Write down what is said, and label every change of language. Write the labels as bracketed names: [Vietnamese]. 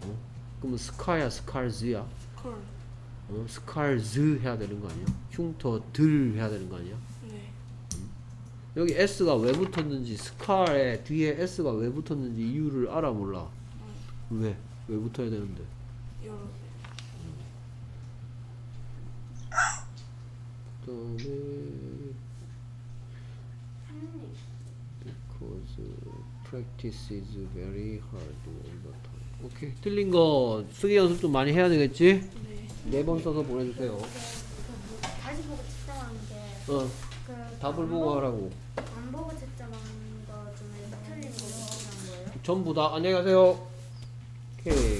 [Korean] 어? 그럼 스카야, 스칼즈야? 스칼. 어? 스칼즈 해야 되는 거 아니야? 흉터들 해야 되는 거 아니야? 여기 S가 왜 붙었는지 스칼에 뒤에 S가 왜 붙었는지 이유를 알아 몰라? 응. 왜? 왜 붙어야 되는데? 여러 그다음에 [English] Because practice is very hard all the time. [Korean] 오케이. 틀린 거 수기 연습 좀 많이 해야 되겠지? 네. 네 번 써서 보내주세요. 다시 보고 측정하는 게 어. 답을 보고 하라고. 안 보고 채점한 거 중에 틀린 거 있는 거예요? 전부 다. 안녕히 가세요. 오케이.